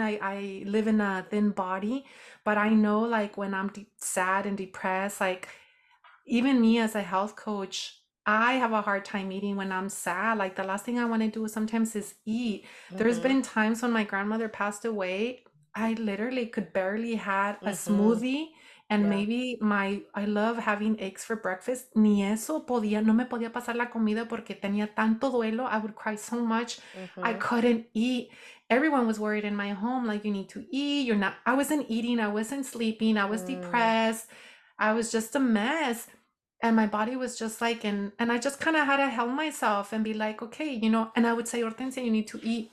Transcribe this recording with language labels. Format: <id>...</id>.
<en>I live in a thin body, but I know, like, when I'm sad and depressed, like, even me as a health coach, I have a hard time eating when I'm sad. Like, the last thing I want to do sometimes is eat. Mm-hmm. There's been times when my grandmother passed away, I literally could barely had a mm-hmm. smoothie. And yeah. maybe I love having eggs for breakfast.</en> <es>Ni eso podía, no me podía pasar la comida porque tenía tanto duelo.</es> <en>I would cry so much. Mm-hmm. I couldn't eat. Everyone was worried in my home, like, you need to eat. You're not, I wasn't eating. I wasn't sleeping. I was depressed. I was just a mess. And my body was just like, and I just kind of had to help myself and be like, okay, you know, and I would say, Hortensia, you need to eat.</en>